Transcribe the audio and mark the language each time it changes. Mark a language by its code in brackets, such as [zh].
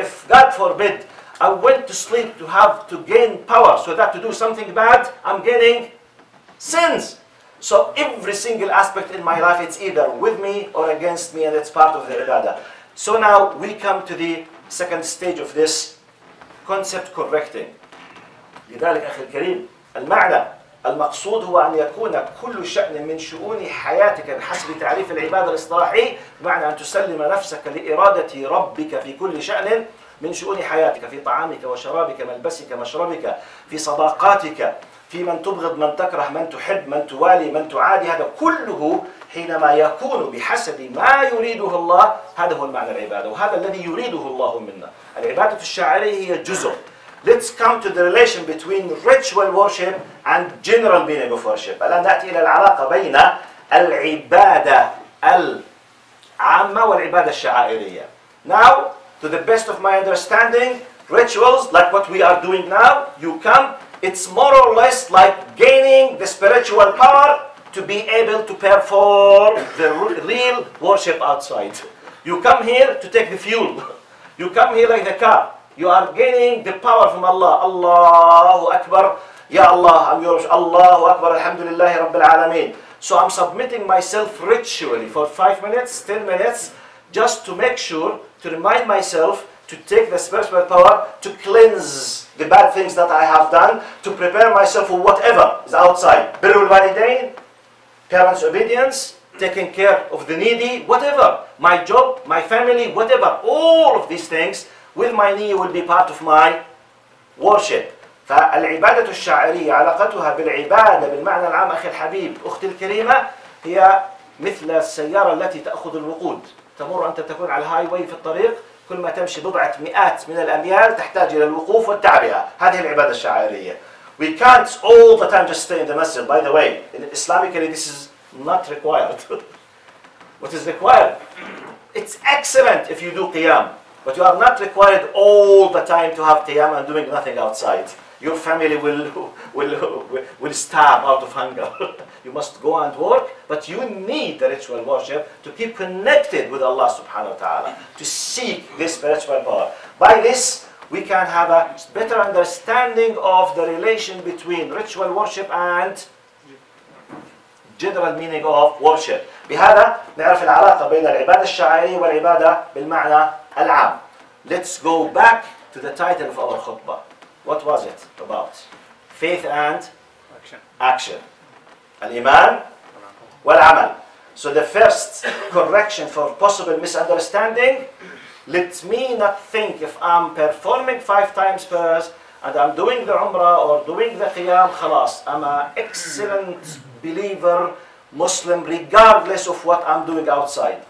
[en] If, God forbid, I went to sleep to have to gain power so that to do something bad, I'm gaining sins. So every single aspect in my life, it's either with me or against me, and it's part of the ibadah. So now we come to the second stage of this concept correcting. لذلك أخي الكريم المعنى المقصود هو أن يكون كل شأن من شؤون حياتك بحسب تعريف العبادة الإصطلاحي معنى أن تسلم نفسك لإرادة ربك في كل شأن من شؤون حياتك, في طعامك وشرابك, ملبسك مشربك, في صداقاتك, في من تبغض, من تكره, من تحب, من توالي, من تعادي. هذا كله حينما يكون بحسب ما يريده الله, هذا هو المعنى العبادة, وهذا الذي يريده الله منا. العبادة الشاعرية هي جزء. Let's come to the relation between ritual worship and general meaning of worship. الآن نأتي إلى العلاقة بين العبادة العامة والعبادة الشعائرية. Now, to the best of my understanding, rituals, like what we are doing now, you come, it's more or less like gaining the spiritual power to be able to perform the real worship outside. You come here to take the fuel. You come here like the car. You are gaining the power from Allah. [ar] Allahu Akbar. Ya Allah, [en] I'm yours. [ar] Allahu Akbar. Alhamdulillah, Rabbil Alameen. [en] So I'm submitting myself ritually for 5 minutes, 10 minutes, just to make sure, to remind myself, to take the spiritual power, to cleanse the bad things that I have done, to prepare myself for whatever is outside. Birrul Walidain, parents' obedience, taking care of the needy, whatever. My job, my family, whatever. All of these things, with my knee, will be part of my worship. [ar] فالعبادة الشاعرية علاقتها بالعبادة بالمعنى العام أخي الحبيب أختي الكريمة هي مثل السيارة التي تأخذ الوقود. تمر أنت تكون على هايواي في الطريق, كل ما تمشي بضعة مئات من الأميال تحتاج إلى الوقوف والتعبئة. هذه العبادة الشاعرية. [en] We can't all the time just stay in the masjid. By the way, in Islamically this is not required. What is required? It's excellent if you do qiyam. But you are not required all the time to have qiyam and doing nothing outside. Your family will starve out of hunger. You must go and work, but you need the ritual worship to keep connected with Allah subhanahu wa ta'ala, to seek this spiritual power. By this, we can have a better understanding of the relation between ritual worship and general meaning of worship. [ar] بهذا نعرف العلاقة بين العبادة الشعائرية والعبادة بالمعنى العام. [en] Let's go back to the title of our khutbah. What was it about? Faith and action. [ar] Al-Iman wal-Amal. [en] So the first correction for possible misunderstanding, let me not think if I'm performing 5 times prayers and I'm doing the Umrah or doing the Qiyam, khalas, I'm an excellent believer, Muslim, regardless of what I'm doing outside.